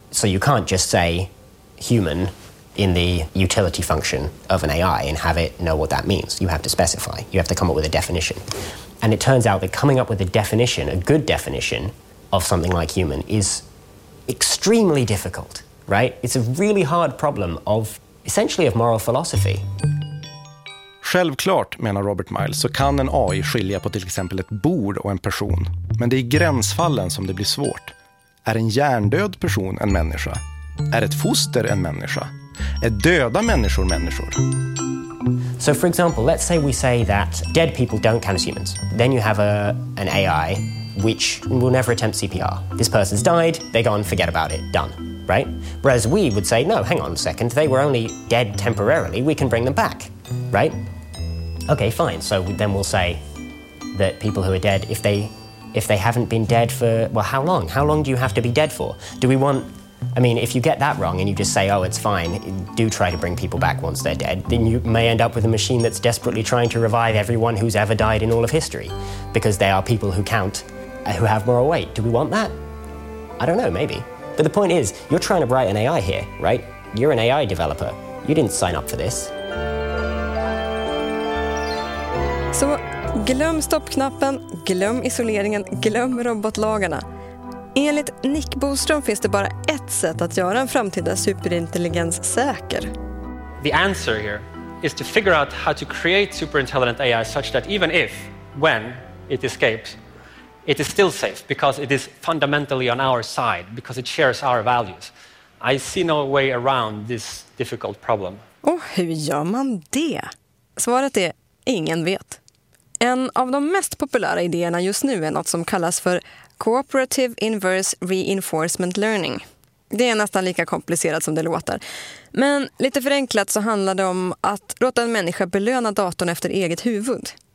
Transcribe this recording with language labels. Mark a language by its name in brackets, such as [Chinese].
[English] So you can't just say human in the utility function of an AI and have it know what that means. You have to specify. You have to come up with a definition. And it turns out that coming up with a definition, a good definition of something like human, is extremely difficult, right? It's a really hard problem of, essentially, of moral philosophy. [Swedish] Självklart, menar Robert Miles, så kan en AI skilja på till exempel ett bord och en person. Men det är i gränsfallen som det blir svårt. Är en hjärndöd person en människa? Är ett foster en människa? Är döda människor människor? [English] So for example, let's say we say that dead people don't count as humans. Then you have an AI which will never attempt CPR. This person's died, they're gone, forget about it, done, right? Whereas we would say, no, hang on a second, they were only dead temporarily, we can bring them back, right? Okay, fine, so then we'll say that people who are dead, if they haven't been dead for, well, how long? How long do you have to be dead for? Do we want, I mean, if you get that wrong and you just say, oh, it's fine, do try to bring people back once they're dead, then you may end up with a machine that's desperately trying to revive everyone who's ever died in all of history, because they are people who count, who have moral weight. Do we want that? I don't know, maybe. But the point is, you're trying to write an AI here, right? You're an AI developer. You didn't sign up for this. [Swedish] Så glöm stoppknappen, glöm isoleringen, glöm robotlagarna. Enligt Nick Boström finns det bara ett sätt att göra en framtida superintelligens säker. [English] The answer here is to figure out how to create superintelligent AI such that even if, when it escapes, it is still safe because it is fundamentally on our side, because it shares our values. I see no way around this difficult problem. [Swedish] Och hur gör man det? Svaret är, ingen vet. En av de mest populära idéerna just nu är något som kallas för Cooperative Inverse Reinforcement Learning. Det är nästan lika komplicerat som det låter. Men lite förenklat så handlar det om att låta en människa belöna datorn efter eget huvud.